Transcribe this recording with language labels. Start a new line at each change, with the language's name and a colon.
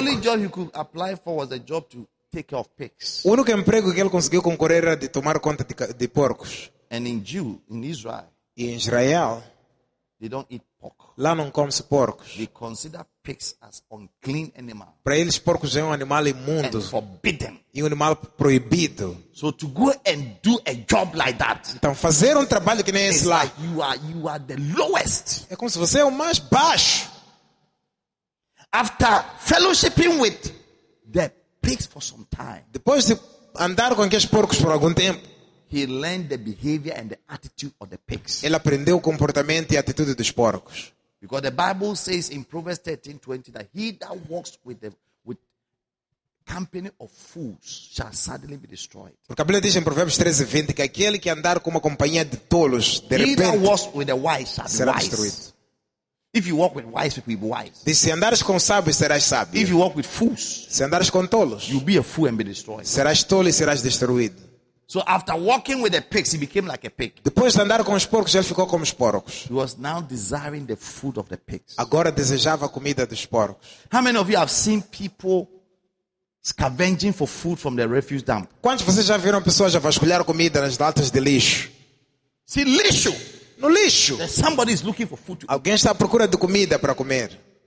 English: The only job he could apply for was a job to take care of pigs.
Portuguese: O único emprego que ele conseguiu concorrer era de tomar conta de porcos.
English: And in Jew, in Israel,
Portuguese: e em Israel,
English: they don't eat.
Portuguese: Lá não come-se porcos.
English: They consider pigs as unclean animal.
Portuguese: Para eles, porcos é um animal imundo.
English: And forbidden.
Portuguese: E um animal proibido.
English: So to go and do a job like that,
Portuguese: então, fazer um trabalho que nem esse lá.
English: Like you are the lowest.
Portuguese: É como se você é o mais baixo.
English: After fellowshipping with the pigs for some time,
Portuguese: depois de andar com aqueles porcos por algum tempo,
English: he learned the behavior and the attitude of the pigs.
Portuguese: Ele aprendeu o comportamento e a atitude dos porcos.
English: Because the Bible says in Proverbs 13:20 that he that walks with company of fools shall suddenly be destroyed.
Portuguese: Porque a Bíblia diz em Provérbios 13:20 que aquele que andar com uma companhia de tolos, de repente,
English: he that walks with the wise shall be wise. If you walk with wise people, you be wise.
Portuguese: Diz, se andares com sábios, serás sábio.
English: If you walk with fools,
Portuguese: se andares com tolos,
English: you'll be a fool and be destroyed.
Portuguese: Serás tolo e serás destruído.
English: So after walking with the pigs, he became like a pig.
Portuguese: Depois de andar com os porcos, ele ficou como os porcos.
English: He was now desiring the food of the pigs.
Portuguese: Agora desejava a comida dos porcos.
English: How many of you have seen people scavenging for food from the refuse dump?
Portuguese: Quantos de vocês já viram pessoas a vasculhar comida nas latas de lixo?
English: See, lixo.
Portuguese: No lixo.
English: Somebody is looking for food to eat.
Portuguese: Alguém está à procura de comida para comer.